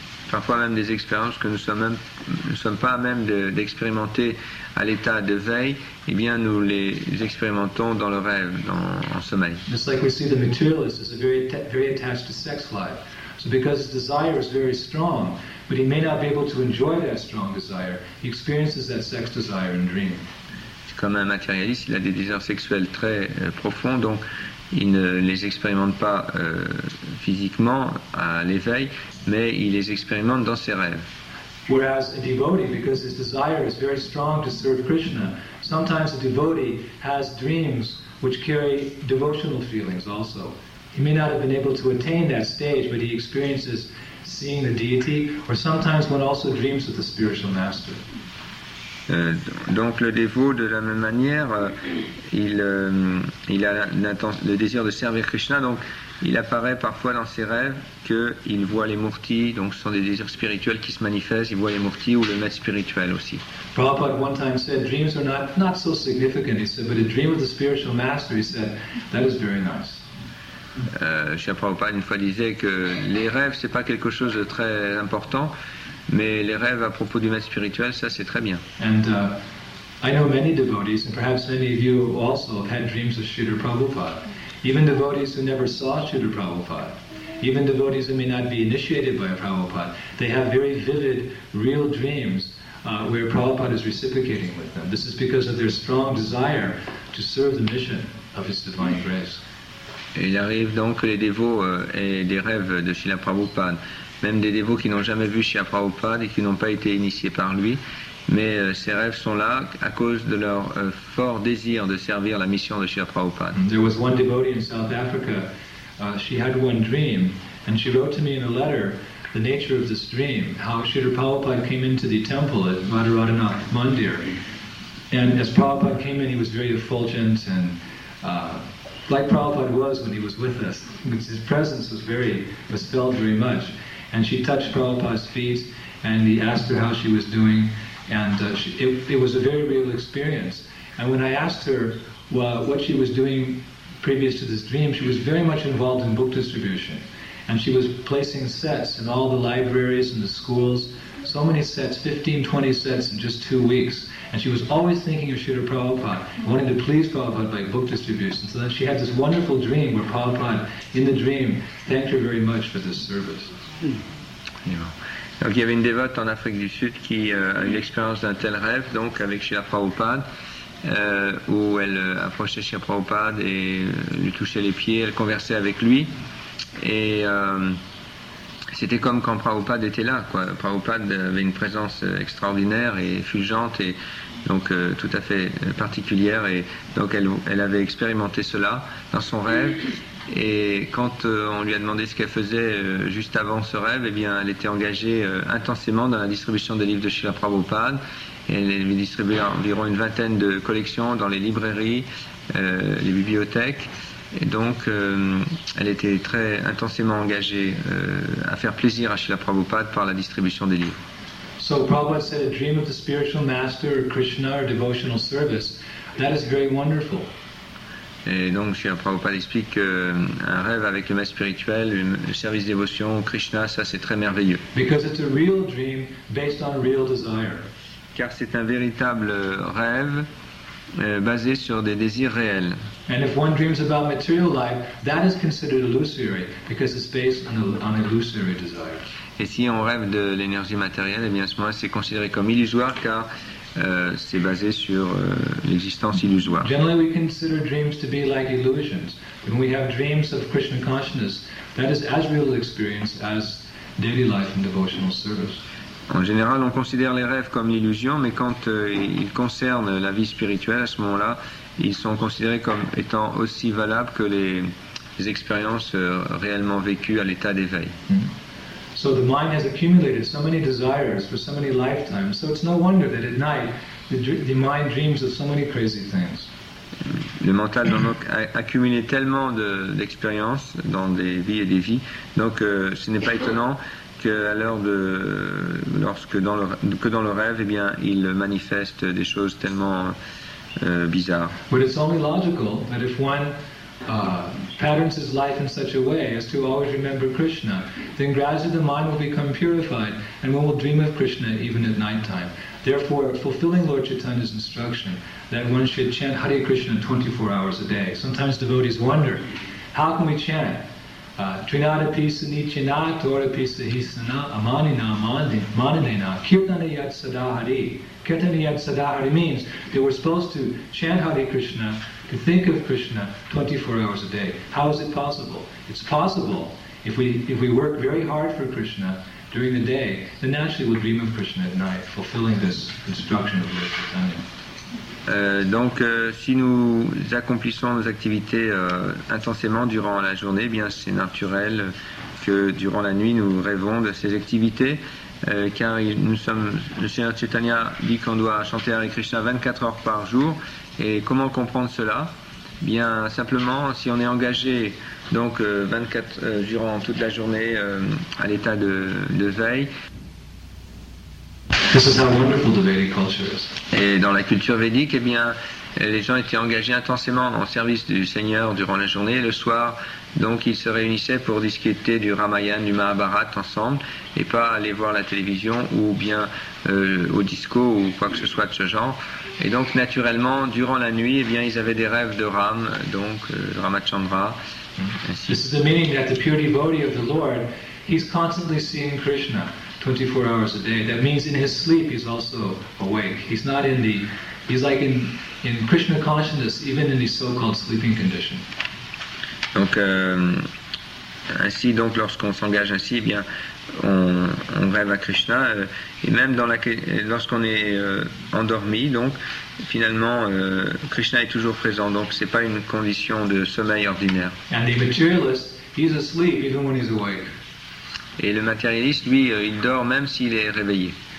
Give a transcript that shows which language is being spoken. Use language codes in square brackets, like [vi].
[fr] Parfois même des expériences que nous ne sommes pas à même d'expérimenter à l'état de veille, eh bien nous les expérimentons dans le rêve, en sommeil. [en] Just like we see the materialist is very attached to sex life. So because his desire is very strong, but he may not be able to enjoy that strong desire, he experiences that sex desire in dream. [fr] Comme un matérialiste, il a des désirs sexuels très profonds, donc il ne les expérimente pas physiquement à l'éveil, mais il les expérimente dans ses rêves. [en] Whereas a devotee, because his desire is very strong to serve Krishna, sometimes a devotee has dreams which carry devotional feelings also. He may not have been able to attain that stage, but he experiences seeing the deity, or sometimes one also dreams of the spiritual master. [fr] Donc le dévot, de la même manière, il a le désir de servir Krishna, donc il apparaît parfois dans ses rêves qu'il voit les murtis, donc ce sont des désirs spirituels qui se manifestent, il voit les murtis ou le maître spirituel aussi. [en] Prabhupada one time said, dreams are not so significant, he said, but a dream of the spiritual master, he said, that is very nice. [fr] Shri Prabhupada une fois disait que les rêves, c'est pas quelque chose de très important, mais les rêves à propos du maître spirituel, ça c'est très bien. [en] And I know many devotees, and perhaps many of you also have had dreams of Srila Prabhupada. Even devotees who never saw Srila Prabhupada, even devotees who may not be initiated by Prabhupada, they have very vivid, real dreams where Prabhupada is reciprocating with them. This is because of their strong desire to serve the mission of His divine grace. [fr] Il arrive donc que les dévots aient des rêves de Srila Prabhupada. Même des dévots qui n'ont jamais vu Shri Prabhupada et qui n'ont pas été initiés par lui, mais ces rêves sont là à cause de leur fort désir de servir la mission de Shri Prabhupada. [en] There was one devotee in South Africa. She had one dream, and she wrote to me in a letter the nature of this dream, how Shri Prabhupada came into the temple at Madhuradana Mandir, and as Prabhupada came in, he was very effulgent and like Prabhupada was when he was with us. His presence was felt very much. And she touched Prabhupada's feet, and he asked her how she was doing, and it was a very real experience. And when I asked her what she was doing previous to this dream, she was very much involved in book distribution. And she was placing sets in all the libraries and the schools. So many sets, 15, 20 sets in just 2 weeks. And she was always thinking of Srila Prabhupada, wanting to please Prabhupada by book distribution. So then she had this wonderful dream where Prabhupada, in the dream, thanked her very much for this service. Yeah. [fr] Donc il y avait une dévote en Afrique du Sud qui a eu l'expérience d'un tel rêve, donc avec Srila Prabhupada, où elle approchait Srila Prabhupada et lui touchait les pieds, elle conversait avec lui. Et c'était comme quand Prabhupada était là, quoi. Prabhupada avait une présence extraordinaire et fulgente, et donc tout à fait particulière. Et donc elle avait expérimenté cela dans son rêve. Et quand on lui a demandé ce qu'elle faisait juste avant ce rêve, eh bien, elle était engagée intensément dans la distribution des livres de Srila Prabhupada. Et elle lui distribuait environ une vingtaine de collections dans les librairies, les bibliothèques. Et donc, elle était très intensément engagée à faire plaisir à Srila Prabhupada par la distribution des livres. [en] So Prabhupada said, a dream of the spiritual master or Krishna or devotional service, that is very wonderful. [fr] Et donc Srila Prabhupada explique qu'un rêve avec le maître spirituel, un service dévotion, Krishna, ça c'est très merveilleux. [en] Because it's a real dream based on real desire. [fr] Car c'est un véritable rêve basé sur des désirs réels. [en] And if one dreams about material life, that is considered illusory because it's based on illusory desires. [fr] Et si on rêve de l'énergie matérielle, eh bien à ce moment-là c'est considéré comme illusoire car c'est basé sur l'existence illusoire. [en] Generally we consider dreams to be like illusions. When we have dreams of Krishna consciousness, that is as real an experience as daily life and devotional service. [fr] En général, on considère les rêves comme l'illusion, mais quand ils concernent la vie spirituelle, à ce moment-là, ils sont considérés comme étant aussi valables que les expériences réellement vécues à l'état d'éveil. [en] So the mind has accumulated so many desires for so many lifetimes, so it's no wonder that at night the mind dreams of so many crazy things. [fr] Le mental donc a accumulé tellement d'expériences dans des vies et des vies, donc ce n'est pas étonnant qu'à l'heure de lorsque dans le rêve, eh bien, il manifeste des choses tellement bizarres. [en] But it's only logical that if one patterns his life in such a way as to always remember Krishna, then gradually the mind will become purified and one will dream of Krishna even at night time. Therefore, fulfilling Lord Chaitanya's instruction that one should chant Hare Krishna 24 hours a day. Sometimes devotees wonder, how can we chant [sa] Trinada Pisa Nichina Tora Pisa Hisana Amanina Manadena Kirtana Yat Sadahari. Kirtana Yat Sadahari [en] means they were supposed to chant Hare Krishna, to think of Krishna 24 hours a day. How is it possible? It's possible if we work very hard for Krishna during the day, then naturally we'll dream of Krishna at night, fulfilling this instruction of Lord Chaitanya. [fr] Donc, si nous accomplissons nos activités intensément durant la journée, eh bien c'est naturel que durant la nuit nous rêvons de ces activités, car le Seigneur Chaitanya dit qu'on doit chanter Hare Krishna 24 heures par jour. Et comment comprendre cela? Bien simplement, si on est engagé donc 24 durant toute la journée à l'état de veille. [en] This is how wonderful the Vedic culture is. [fr] Et dans la culture védique, eh bien, les gens étaient engagés intensément en service du Seigneur durant la journée. Le soir, donc, ils se réunissaient pour discuter du Ramayana, du Mahabharata ensemble, et pas aller voir la télévision ou bien au disco ou quoi que ce soit de ce genre. Et donc, naturellement, durant la nuit, eh bien, ils avaient des rêves de Ram, donc Ramachandra. Ainsi. [en] This is the meaning that the pure devotee of the Lord, he's constantly seeing Krishna 24 hours a day. That means in his sleep he's also awake. He's not in the, he's like in Krishna consciousness even in his so-called sleeping condition. [fr] Donc ainsi donc lorsqu'on s'engage ainsi, eh bien on rêve à Krishna et même lorsqu'on est endormi, donc finalement Krishna est toujours présent. Donc c'est pas une condition de sommeil ordinaire. [en] And the materialist, he's asleep even when he's awake. [fr] Et le matérialiste, lui, il dort même s'il est réveillé.